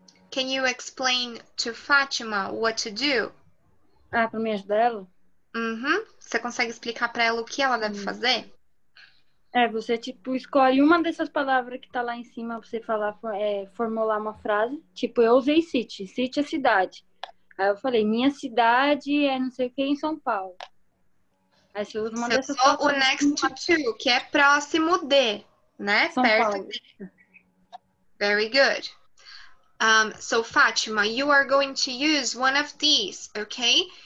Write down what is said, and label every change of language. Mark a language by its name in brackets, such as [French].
[English] Can you explain to Fátima what to do? [Portuguese] Ah, para me ajudar ela? Uhum. Você consegue explicar para ela o que ela deve fazer? É, você, tipo, escolhe uma dessas palavras que tá lá em cima, você falar, formular uma frase. Tipo, eu usei city. City é cidade. Aí eu falei, minha cidade é não sei o que em São Paulo. Aí você usa uma você dessas palavras. O next to, two, que é próximo de, né? São perto Paulo. De. [English] Very good. So, Fátima, you are going to use one of these, okay?